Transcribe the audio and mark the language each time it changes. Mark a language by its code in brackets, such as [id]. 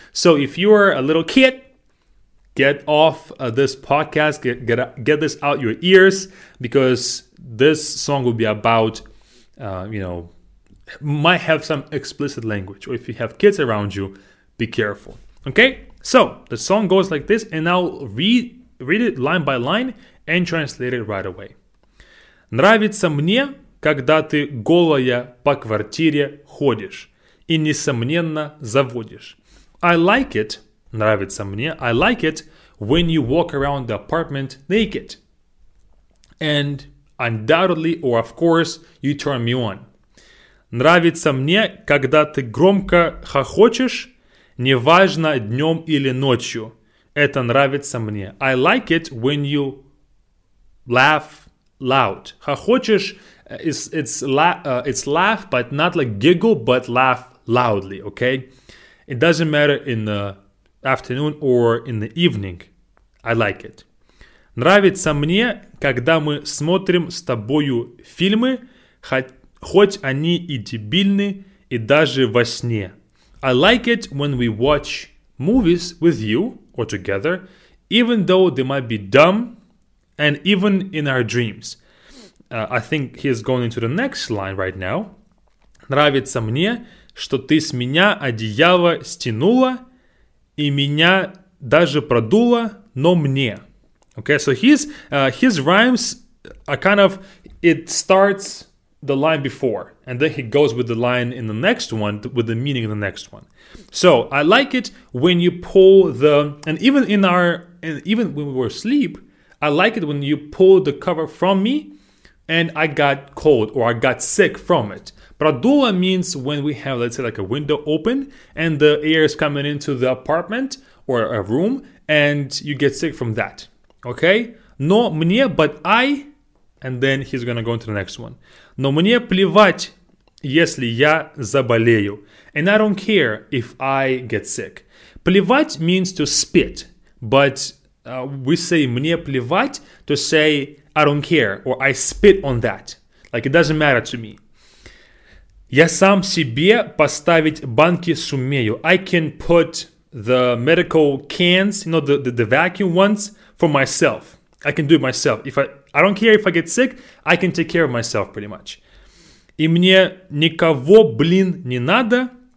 [en] So if you are a little kid, get off this podcast, get this out your ears, because this song will be about, might have some explicit language. Or if you have kids around you, be careful. Okay, so the song goes like this, and I'll read it line by line and translate it right away. [ru] Нравится мне, когда ты голая по квартире ходишь. И несомненно заводишь. [en] I like it, [ru] нравится мне, [en] I like it when you walk around the apartment naked. And undoubtedly, or of course, you turn me on. [ru] Нравится мне, когда ты громко хохочешь, неважно днем или ночью. Это нравится мне. [en] I like it when you laugh loud. Хохочешь, it's laugh, but not like giggle, but laugh loudly, okay? It doesn't matter in the afternoon or in the evening. I like it. [ru] Нравится мне, когда мы смотрим с тобою фильмы, хоть они и дебильны, и даже во сне. [en] I like it when we watch movies with you or together, even though they might be dumb, and even in our dreams. I think he is going into the next line right now. [ru] Нравится мне, что ты с меня одеяло стянула и меня даже продуло, но мне. [en] Okay, so his rhymes are kind of, it starts the line before and then he goes with the line in the next one with the meaning in the next one. So I like it when you pull the, and even in our, and even when we were asleep, I like it when you pull the cover from me and I got cold or I got sick from it. Продуло means when we have, let's say, like a window open and the air is coming into the apartment or a room and you get sick from that, okay? [ru] Но мне, [en] but I, and then he's going to go into the next one. [ru] Но мне плевать, если я заболею. [en] And I don't care if I get sick. Плевать means to spit, but we say [ru] мне плевать [en] to say I don't care or I spit on that. Like it doesn't matter to me. [ru] Я сам себе поставить банки сумею. [en] I can put the medical cans, you know, the vacuum ones for myself. I can do it myself. If I don't care if I get sick, I can take care of myself pretty much. [ru] И мне никого, блин, не надо.